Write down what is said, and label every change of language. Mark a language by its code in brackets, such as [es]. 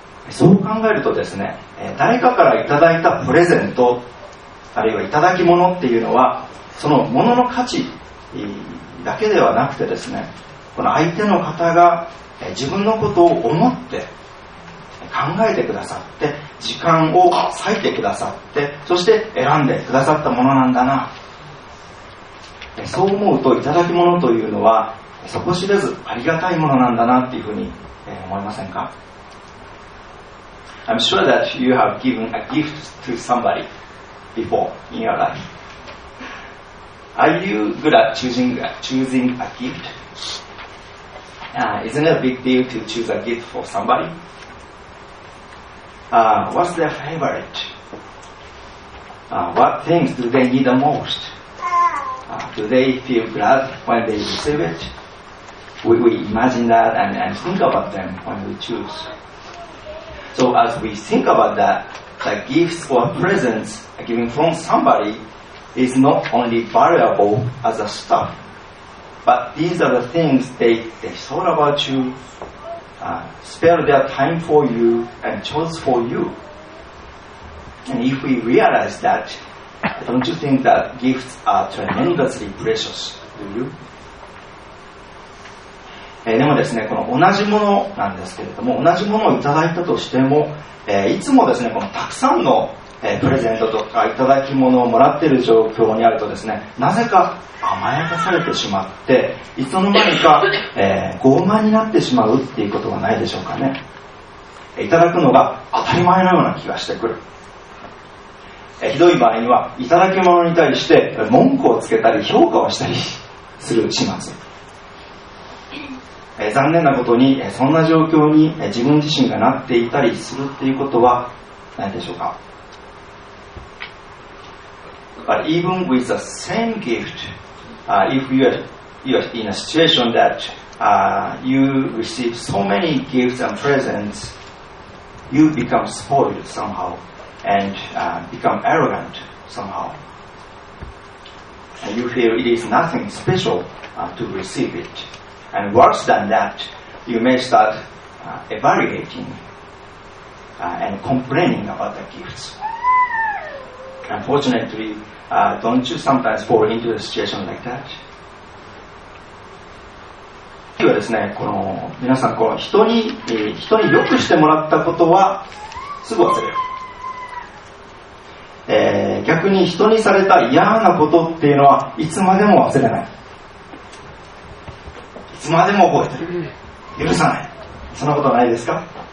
[ja] そう考えるとですね、誰かからいただいたプレゼント、あるいはいただき物っていうのは、そのものの価値だけではなくてですね、この相手の方が自分のことを思って考えてくださって、時間を割いてくださって、そして選んでくださったものなんだな、そう思うといただき物というのは底知れずありがたいものなんだなっていうふうに思いませんか。 [en] I'm sure that you have given a gift to somebody before in your life. Are you good at choosing a gift? Isn't it a big deal to choose a gift for somebody? What's their favorite? What things do they need the most? Do they feel glad when they receive it? We imagine that and think about them when we choose. So as we think about that, the gifts or presents given from somebody is not only valuable as a stuff,But these are the things they thought about you, spared their time for you, and chose for you. And if we realize that, don't you think that gifts are tremendously precious? Do you? [ja] でもですね、この同じものなんですけれども、同じものをいただいたとしても、いつもですね、このたくさんの、プレゼントとかいただき物をもらっている状況にあるとですね、なぜか甘やかされてしまって、いつの間にか、傲慢になってしまうっていうことはないでしょうかね。いただくのが当たり前のような気がしてくる。ひどい場合にはいただき物に対して文句をつけたり評価をしたりするします。残念なことに、そんな状況に自分自身がなっていたりするっていうことはないでしょうか。 [en] But even with the same gift, if you are in a situation that you receive so many gifts and presents, you become spoiled somehow and become arrogant somehow. And you feel it is nothing special to receive it. And worse than that, you may start evaluating and complaining about the gifts. Unfortunately,don't you sometimes fall into a situation like that? [ja] 今日はですね、この皆さん、この人に良くしてもらったことはすぐ忘れる、逆に人にされた嫌なことっていうのはいつまでも忘れない、いつまでも覚えてる、許さない。そんなことないですか。